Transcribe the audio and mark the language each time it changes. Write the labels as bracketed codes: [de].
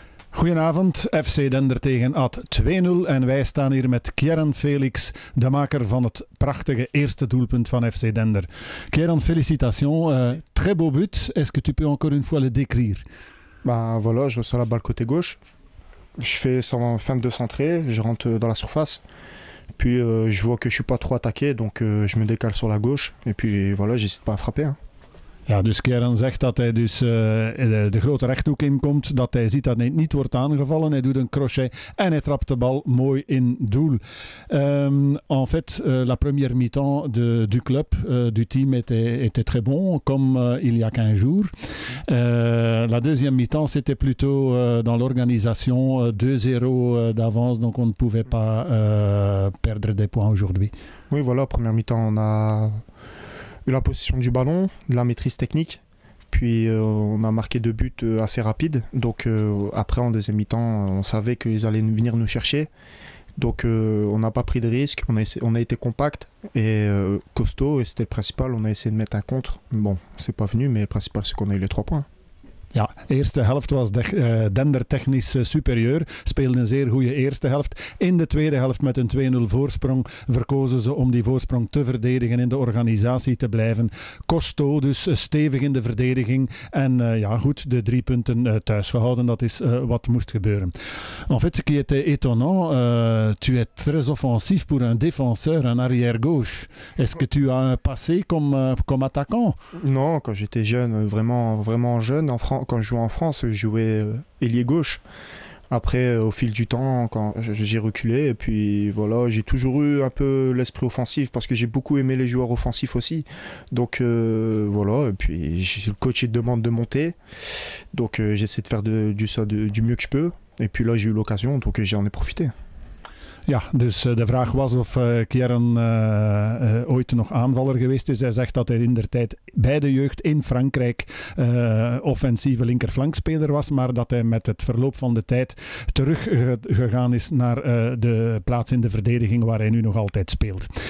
[nl] Goedenavond, FC Dender tegen AD 2-0 en wij staan hier met Kieran Felix, de maker van het prachtige eerste doelpunt van FC Dender. [fr] Kieran, félicitations, très beau but, est-ce que tu peux encore une fois le décrire? Voilà, je reçois la balle côté gauche, je fais une fin de centrée, je rentre dans la surface, puis je vois que je ne suis pas trop attaqué, donc je me décale sur la gauche et puis voilà, j'hésite pas à frapper. Hein. [nl] Ja, dus Kieran zegt dat hij dus de grote rechthoek inkomt, dat hij ziet dat hij niet wordt aangevallen. Hij doet een crochet en hij trapt de bal mooi in doel. [fr] En fait, la première mi-temps du club, du team, était très bon, comme il y a 15 jours. La deuxième mi-temps, c'était plutôt dans l'organisation, 2-0 d'avance, donc on ne pouvait pas perdre des points aujourd'hui. Oui, voilà, première mi-temps, on a eu la possession du ballon, de la maîtrise technique, puis on a marqué deux buts assez rapides. Donc après, en deuxième mi-temps, on savait qu'ils allaient venir nous chercher. Donc on n'a pas pris de risque, on a été compact et costaud, et c'était le principal. On a essayé de mettre un contre. Bon, c'est pas venu, mais le principal, c'est qu'on a eu les trois points. [nl] Ja, eerste helft was Dender technisch superieur, speelde een zeer goede eerste helft. In de tweede helft met een 2-0 voorsprong verkozen ze om die voorsprong te verdedigen, in de organisatie te blijven. Costo dus stevig in de verdediging en ja goed, de drie punten thuisgehouden, dat is wat moest gebeuren. [fr] En fait, ce qui était étonnant, tu es très offensif pour un défenseur en arrière-gauche. Est-ce que tu as un passé comme attaquant? Non, quand j'étais jeune, vraiment, vraiment jeune, quand je jouais en France, je jouais ailier gauche. Après, au fil du temps, quand j'ai reculé, et puis voilà, j'ai toujours eu un peu l'esprit offensif parce que j'ai beaucoup aimé les joueurs offensifs aussi. Donc voilà, et puis le coach il demande de monter, donc j'essaie de faire du mieux que je peux. Et puis là, j'ai eu l'occasion, donc j'en ai profité. [nl] Ja, dus de vraag was of Kieran ooit nog aanvaller geweest is. Hij zegt dat hij in der tijd bij de jeugd in Frankrijk offensieve linkerflankspeler was, maar dat hij met het verloop van de tijd teruggegaan is naar de plaats in de verdediging waar hij nu nog altijd speelt.